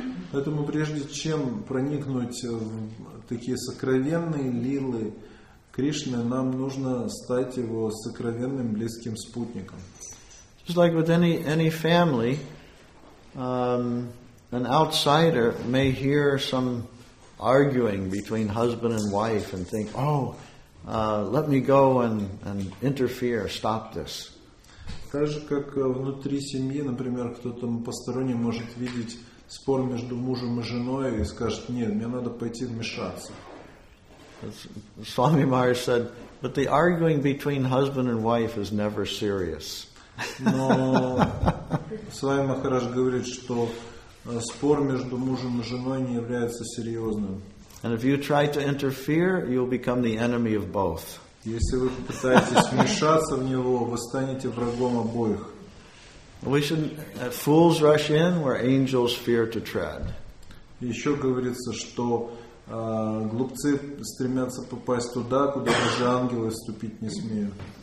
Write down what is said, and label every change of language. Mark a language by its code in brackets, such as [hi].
[ru] Поэтому прежде чем проникнуть в такие сокровенные лилы Кришны, нам нужно стать его сокровенным близким спутником. [en] Just like with any family, an outsider may hear some arguing between husband and wife and think, oh, let me go and interfere, stop this. [ru] Так же, как внутри семьи, например, кто-то посторонний может видеть спор между мужем и женой и скажет, нет, мне надо пойти вмешаться. [en] Swami Maharaj said, but the arguing between husband and wife is never serious. [ru] Но Swami Maharaj говорит, что спор между мужем и женой не является серьезным. [en] And if you try to interfere, you'll become the enemy of both. [ru] Если вы пытаетесь вмешаться в него, вы станете врагом обоих. [en] We should fools rush in where angels fear to tread. [ru] Еще говорится, что глупцы стремятся попасть туда, куда даже ангелы ступить не смеют.